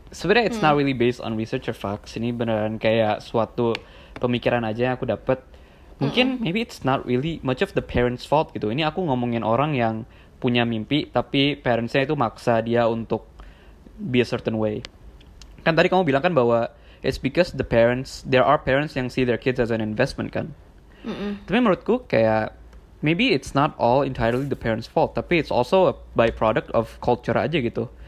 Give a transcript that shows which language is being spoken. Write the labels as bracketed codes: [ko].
[en] Sebenarnya it's not really based on research or facts. [id] Ini beneran kayak suatu pemikiran aja yang aku dapat. [en] Mungkin maybe it's not really much of the parents' fault gitu. [id] Ini aku ngomongin orang yang punya mimpi tapi parents-nya itu maksa dia untuk [en] be a certain way. [id] Kan tadi kamu bilang kan bahwa [en] it's because the parents, there are parents yang see their kids as an investment kan. Mm-mm. [id] Tapi menurutku kayak [en] maybe it's not all entirely the parents' fault, tapi it's also a byproduct of culture [id] aja gitu.